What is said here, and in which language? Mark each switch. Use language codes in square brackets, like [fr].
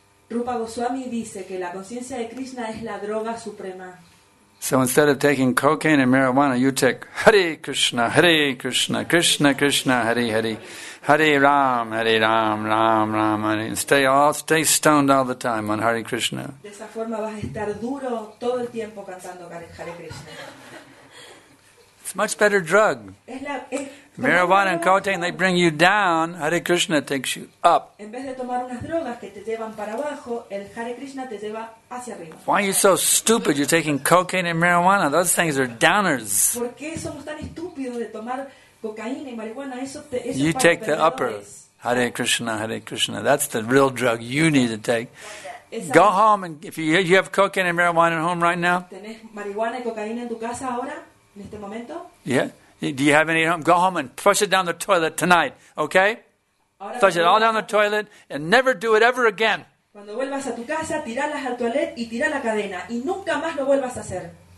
[es] Rupa Goswami dice que la conciencia de Krishna es la droga suprema. [en] So instead of taking cocaine and marijuana, you take Hare Krishna, Krishna Krishna, Hare Hare, Hare Ram, Ram Ram, Hare. And stay stoned all the time on Hare Krishna. [es] De esa forma vas a estar duro todo el tiempo cantando Hare Krishna. [en] It's a much better drug. Marijuana and cocaine, they bring you down. Hare Krishna takes you up. [es] En vez de tomar unas drogas que te llevan para abajo, el Hare Krishna te lleva hacia arriba. [en] Why are you so stupid? You're taking cocaine and marijuana. Those things are downers. [es] ¿Por qué somos tan estúpidos de tomar cocaína y marihuana? [en] You take the upper. Hare Krishna, Hare Krishna. That's the real drug you need to take. Go home, and if you have cocaine and marijuana at home right now. [es] ¿Tenés marihuana y cocaína en tu casa ahora, en este momento? [en] Yeah. Do you have any at home? Go home and flush it down the toilet tonight, okay? Flush it all down the toilet and never do it ever again. [es] Cuando vuelvas a tu casa, tíralas al toilet y tira la cadena y nunca más lo vuelvas a hacer.